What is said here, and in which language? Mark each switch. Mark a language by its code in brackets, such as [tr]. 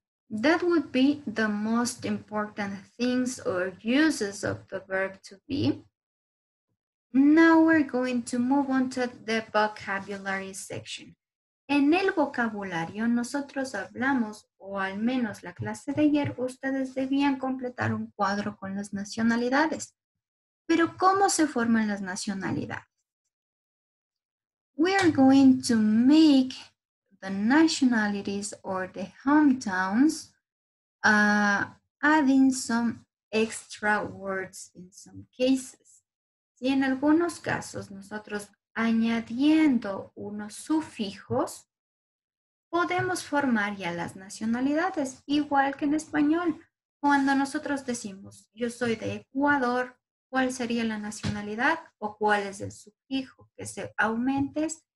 [en] That would be the most important things or uses of the verb to be. Now we're going to move on to the vocabulary section. [es] En el vocabulario nosotros hablamos, o al menos la clase de ayer, ustedes debían completar un cuadro con las nacionalidades. Pero ¿cómo se forman las nacionalidades? [en] We are going to make the nationalities or the hometowns adding some extra words in some cases. [es] Y en algunos casos nosotros añadiendo unos sufijos podemos formar ya las nacionalidades, igual que en español. Cuando nosotros decimos yo soy de Ecuador, ¿cuál sería la nacionalidad o cuál es el sufijo que se aumente?